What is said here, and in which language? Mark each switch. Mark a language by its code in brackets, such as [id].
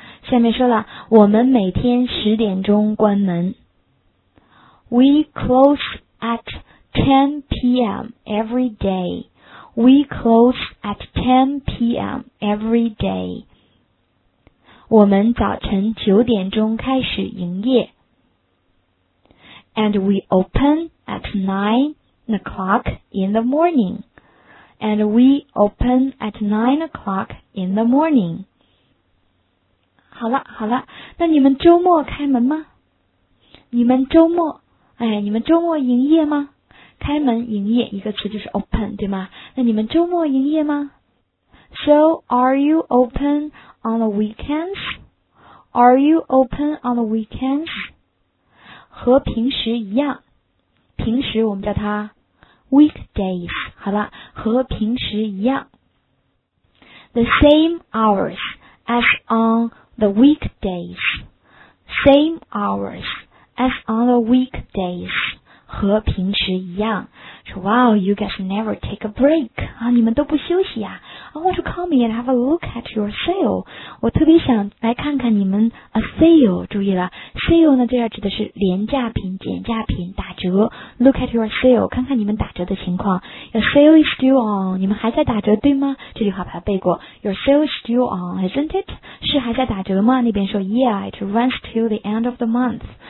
[zh] 下面说了，我们每天十点钟关门。 [en] We close at 10 p.m. every day. We close at 10 p.m. every day. [zh] 我们早晨九点钟开始营业。 [en] And we open at 9 o'clock in the morning. And we open at 9 o'clock in the morning. [zh] 好了好了，那你们周末开门吗？你们周末，你们周末营业吗？开门营业一个词就是 open， 对吗？那你们周末营业吗 ？ [en] So are you open on the weekends? Are you open on the weekends? [zh] 和平时一样，平时我们叫它。 [en] Weekdays， [zh] 好了，和平时一样。 [en] The same hours as on the weekdays. Same hours as on the weekdays. [zh] 和平时一样。 [en] So, wow, you guys never take a break. [zh] 啊，你们都不休息呀。 [en] I want to come and have a look at your sale. [zh] 我特别想来看看你们 a sale. 注意了 ，sale 呢，这要指的是廉价品、减价品、打折。 [en] Look at your sale， [zh] 看看你们打折的情况。 [en] Your sale is still on， [zh] 你们还在打折对吗？这句话把它背过。 [en] Your sale is still on， isn't it？ [zh] 是还在打折吗？那边说 [en] ，Yeah， it runs till the end of the month。